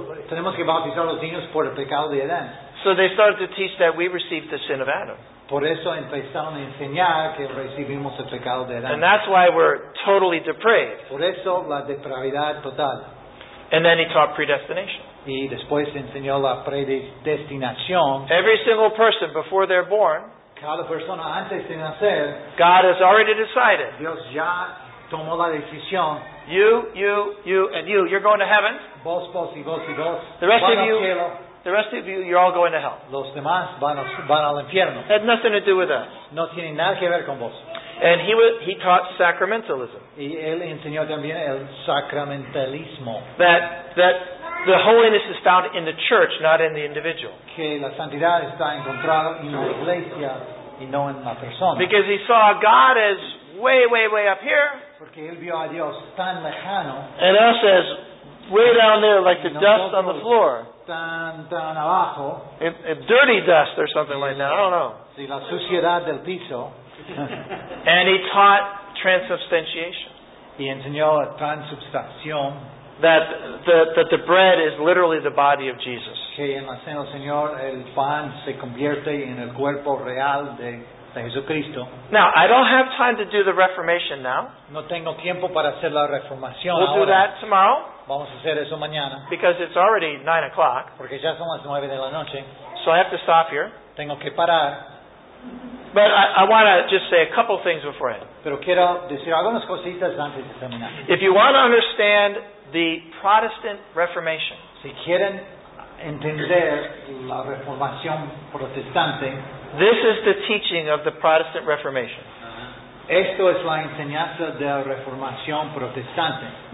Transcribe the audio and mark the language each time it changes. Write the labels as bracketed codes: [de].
[es] Tenemos que bautizar los niños por el pecado de Adán. [en] So they started to teach that we received the sin of Adam. [es] Por eso empezaron a enseñar que recibimos el pecado de Adán. [en] And that's why we're totally depraved. [es] Por eso la depravidad total. [en] And then he taught predestination. [es] Y después enseñó la predestinación. [en] Every single person before they're born, [es] cada persona antes de nacer, [en] God has already decided. [es] Dios ya tomó la decisión. [en] You, and you, you're going to heaven. [es] Vos. [en] The rest of you, you're all going to hell. [es] Los demás van al infierno. [en] Had nothing to do with us. [es] No tiene nada que ver con vos. [en] And he taught sacramentalism. [es] Y él enseñó también el sacramentalismo. [en] That the holiness is found in the church, not in the individual. [es] Que la santidad está encontrada en la iglesia y no en la persona. [en] Because he saw God as way, way, way up here. [es] Porque él vio a Dios tan lejano. [en] And us as way down there, like the dust on the floor. [es] Tan abajo. [en] If dirty dust or something like that, I don't know. [es] Si la suciedad del piso. [en] And he taught transubstantiation. [es] y enseñó la transubstanción. [en] That the bread is literally the body of Jesus. [es] Que en la cena del Señor el pan se convierte en el cuerpo real de Jesucristo. [en] Now, I don't have time to do the Reformation now. [es] No tengo tiempo para hacer la reformación. [en] We'll [es] ahora. [en] Do that tomorrow. [es] Vamos a hacer eso mañana. [en] Because it's already 9 o'clock. [es] Porque ya son las 9 de la noche. [en] So I have to stop here. [es] Tengo que parar. [en] But I want to just say a couple things beforehand. [es] Pero quiero decir algunas cositas antes de terminar. [en] If you want to understand the Protestant Reformation, [es] si quieren entender la reformación protestante, [en] this is the teaching of the Protestant Reformation. [es] Esto es la enseñanza de la reformación protestante.